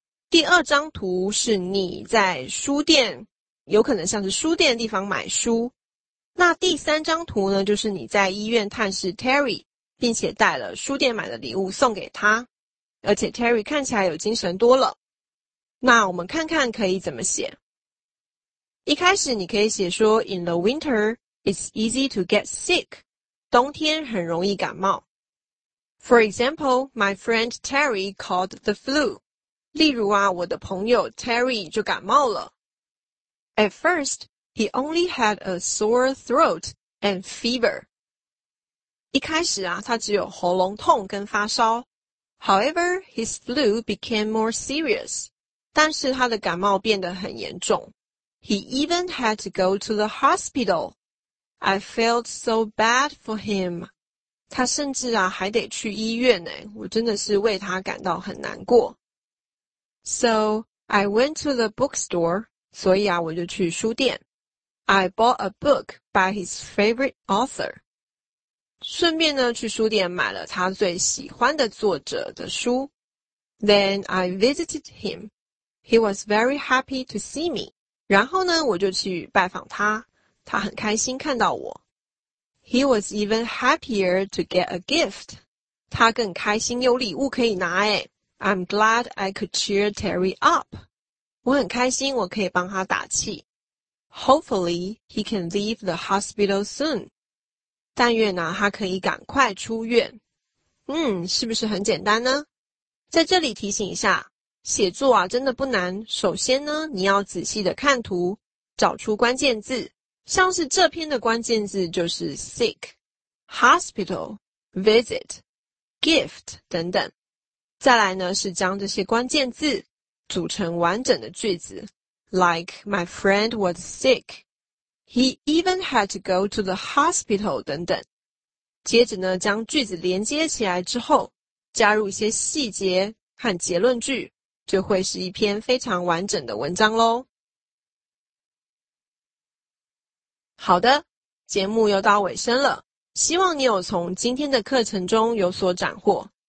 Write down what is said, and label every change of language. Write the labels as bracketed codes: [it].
[zh] 第二张图是你在书店，有可能像是书店的地方买书。那第三张图呢，就是你在医院探视 Terry， 并且带了书店买的礼物送给他，而且 Terry 看起来有精神多了。那我们看看可以怎么写。一开始你可以写说 [en] In the winter, it's easy to get sick. [zh] 冬天很容易感冒。 [en] For example, my friend Terry caught the flu. [zh] 例如啊，我的朋友 Terry 就感冒了。 [en] At first, he only had a sore throat and fever. [zh] 一开始啊，他只有喉咙痛跟发烧。 [en] However, his flu became more serious. [zh] 但是他的感冒变得很严重。 [en] He even had to go to the hospital. I felt so bad for him. [zh] 他甚至啊还得去医院呢，我真的是为他感到很难过。 [en] So, I went to the bookstore. [zh] 所以啊我就去书店。 [en] I bought a book by his favorite author. [zh] 顺便呢去书店买了他最喜欢的作者的书。 [en] Then I visited him. He was very happy to see me. [zh] 然后呢我就去拜访他，他很开心看到我。 [en] He was even happier to get a gift. [zh] 他更开心有礼物可以拿耶。 [en] I'm glad I could cheer Terry up. [zh] 我很开心我可以帮他打气。 [en] Hopefully, he can leave the hospital soon. [zh] 但愿啊他可以赶快出院。嗯，是不是很简单呢？在这里提醒一下，写作啊真的不难，首先呢你要仔细的看图，找出关键字，像是这篇的关键字就是 sick, hospital, visit, gift 等等。再来呢是将这些关键字组成完整的句子， [en] like my friend was sick, he even had to go to the hospital [zh] 等等。接着呢将句子连接起来之后，加入一些细节和结论句，就会是一篇非常完整的文章咯。好的，节目又到尾声了，希望你有从今天的课程中有所斩获。